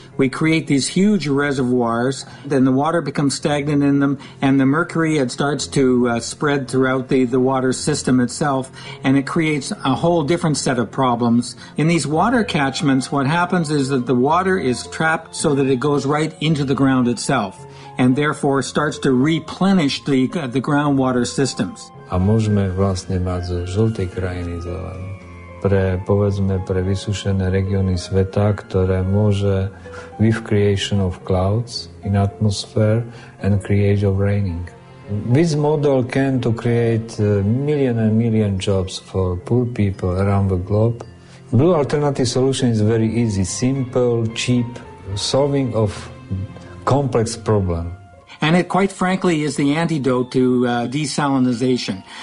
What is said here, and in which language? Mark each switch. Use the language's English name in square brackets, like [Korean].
[English] We create these huge reservoirs, then the water becomes stagnant in them, and the mercury, it starts to spread throughout the water system itself, and it creates a whole different set of problems. In these water catchments, what happens is that the water is trapped so that it goes right into the ground itself, and therefore starts to replenish the groundwater systems. [Slovak] A môžeme vlastne mať zo žltej krajiny zelenú pre, povedzme, pre vysušené regióny sveta, ktoré môže [English] with creation of clouds in atmosphere and create of raining. This model can to create million and million jobs for poor people around the globe. Blue alternative solution is very easy, simple, cheap, solving of complex problem. And it, quite frankly, is the antidote to desalinization.